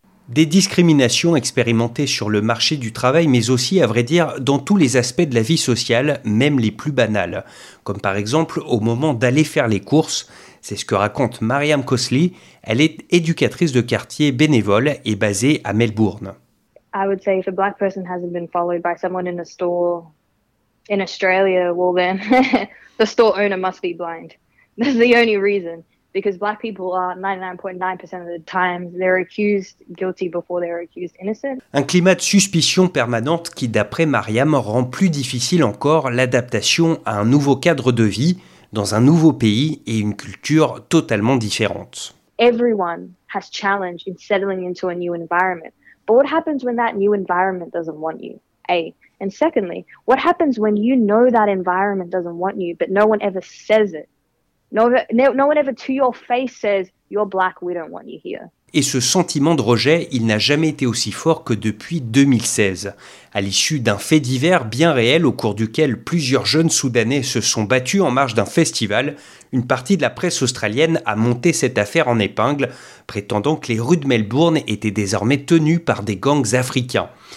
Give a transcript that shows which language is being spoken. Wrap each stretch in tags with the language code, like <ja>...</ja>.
<fr>Des discriminations expérimentées sur le marché du travail, mais aussi, à vrai dire, dans tous les aspects de la vie sociale, même les plus banales. Comme par exemple, au moment d'aller faire les courses, c'est ce que raconte Mariam Kosli. Elle est éducatrice de quartier bénévole et basée à Melbourne.</fr> <en>I would say if a black person hasn't been followed by someone in a store... In Australia, well then, the store owner must be blind. This is the only reason, because black people are 99.9% of the time, they're accused guilty before they're accused innocent.</en> <fr>Un climat de suspicion permanente qui, d'après Mariam, rend plus difficile encore l'adaptation à un nouveau cadre de vie dans un nouveau pays et une culture totalement différente.</fr> <en>Everyone has challenge in settling into a new environment. But what happens when that new environment doesn't want you? And secondly, what happens when you know that environment doesn't want you, but no one ever says it? No one ever to your face says, you're black, we don't want you here.</en> <fr>Et ce sentiment de rejet, il n'a jamais été aussi fort que depuis 2016. À l'issue d'un fait divers bien réel au cours duquel plusieurs jeunes Soudanais se sont battus en marge d'un festival, une partie de la presse australienne a monté cette affaire en épingle, prétendant que les rues de Melbourne étaient désormais tenues par des gangs africains.</fr>